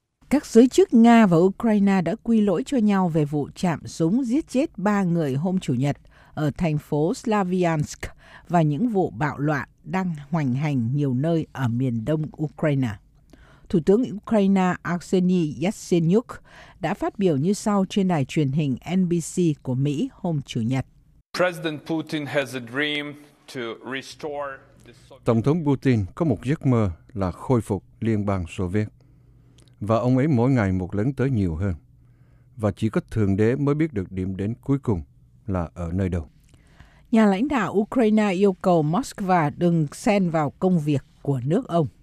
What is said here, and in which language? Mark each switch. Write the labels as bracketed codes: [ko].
[vi] Các giới chức Nga và Ukraine đã quy lỗi cho nhau về vụ chạm súng giết chết ba người hôm Chủ nhật ở thành phố Slavyansk và những vụ bạo loạn đang hoành hành nhiều nơi ở miền đông Ukraine. Thủ tướng Ukraine Arseniy Yatsenyuk đã phát biểu như sau trên đài truyền hình NBC của Mỹ hôm Chủ nhật. [en] President Putin has a dream to restore the Soviet... [vi] Tổng thống Putin có một giấc mơ là khôi phục Liên bang Xô Viết. Và ông ấy mỗi ngày một lớn tới nhiều hơn. Và chỉ có Thượng Đế mới biết được điểm đến cuối cùng là ở nơi đâu. nhà lãnh đạo Ukraine yêu cầu Moscow đừng xen vào công việc của nước ông.